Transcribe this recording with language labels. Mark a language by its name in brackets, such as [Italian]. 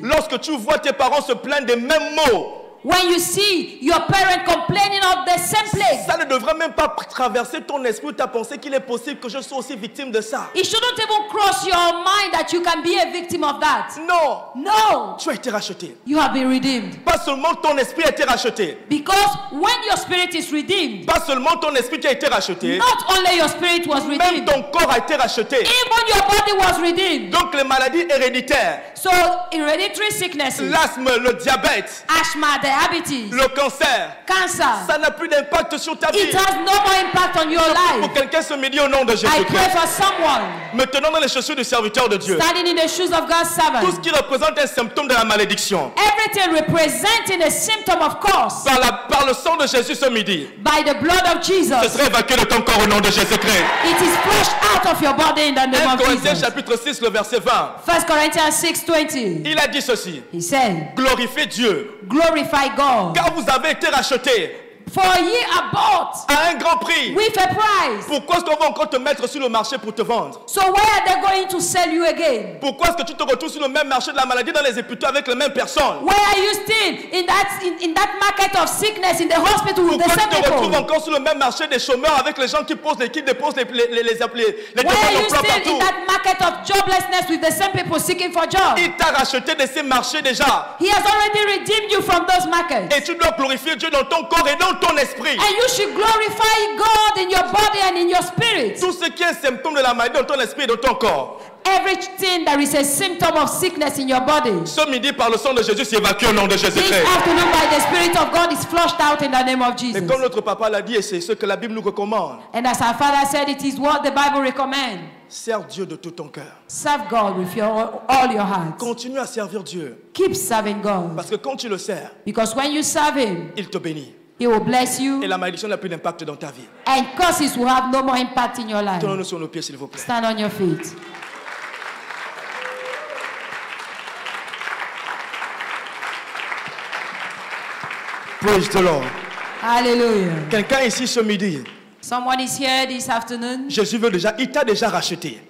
[French] Lorsque tu vois tes parents se plaindre des mêmes mots. [English] When you see your parents complaining of the same place. [French] Ça ne devrait même pas traverser ton esprit, ta pensée qu'il est possible que je sois aussi victime de ça. [English] It shouldn't even cross your mind that you can be a victim of that. [French] Non. [English] No. [French] Tu as été racheté. [English] You have been redeemed. [French] Pas seulement ton esprit a été racheté. [English] Because when your spirit is redeemed. [French] Pas seulement ton esprit qui a été racheté. [English] Not only your spirit was redeemed. [French] Même ton corps a été racheté. [English] Even your body was redeemed. [French] Donc les maladies héréditaires. [English] So hereditary sicknesses. [French] L'asthme, le diabète. [English] Asthma, diabetes. [French] Le cancer. [English] Cancer. [French] Ça n'a plus d'impact sur ta vie. [English] It has no more impact on your life. [French] Pour quelqu'un ce midi au nom de Jésus-Christ. [English] I pray for someone. [French] Maintenant dans les chaussures du serviteur de Dieu. [English] Standing in the shoes of God's servant. [French] Tout ce qui représente un symptôme de la malédiction. [English] Everything representing a symptom of curse. [French] Par le sang de Jésus ce midi. [English] By the blood of Jesus. [French] Ce serait évacué de ton corps au nom de Jésus-Christ. [English] It is flushed out of your body in the name of Jesus. [French] 1 Corinthiens chapitre 6 le verset 20. [English] 1 Corinthiens 6 20. [French] Il a dit ceci. [English] He said. [French] Glorifiez Dieu. [English] Glorify God. [French] Car vous avez été rachetés. [English] For ye are bought. [French] À un grand prix. [English] With a price. [French] Pourquoi est-ce qu'on va encore te mettre sur le marché pour te vendre? [English] So where are they going to sell you again? [French] Pourquoi est-ce que tu te retrouves sur le même marché de la maladie dans les hôpitaux avec les mêmes personnes? [English] Where are you still in that market of sickness in the hospital [French] pourquoi [English] with the same people? [French] Pourquoi tu te retrouves encore sur le même marché des chômeurs avec les gens qui posent les qui déposent les appelés les [English] Where are you still in that market of joblessness with the same people seeking for jobs? [French] Il t'a racheté de ces marchés déjà. [English] He has already redeemed you from those markets. [French] Et tu dois glorifier Dieu dans ton corps et dans ton esprit. [English] And you should glorify God in your body and in your spirit. [French] Tout ce qui est symptôme de la maladie dans ton esprit et dans ton corps. [English] Everything that is a symptom of sickness in your body. [French] Ce midi par le sang de Jésus s'évacue au nom de Jésus-Christ. [English] This afternoon by the spirit of God is flushed out in the name of Jesus. [French] Et comme notre papa l'a dit, et c'est ce que la Bible nous recommande. [English] And as our father said, it is what the Bible recommends. [French] Serve Dieu de tout ton cœur. [English] Serve God with all your heart. [French] Continue à servir Dieu. [English] Keep serving God. [French] Parce que quand tu le sers, [English] because when you serve him, [French] il te bénit. [English] He will bless you. [French] Et la malédiction n'a plus d'impact dans ta vie. [English] And curses will have no more impact in your life. [French] Tenons-nous sur nos pieds, s'il vous plaît. [English] Stand on your feet. Praise the Lord. Hallelujah. [French] Quelqu'un ici ce midi. [English] Someone is here this afternoon. [French] Jésus veut déjà, il t'a déjà racheté.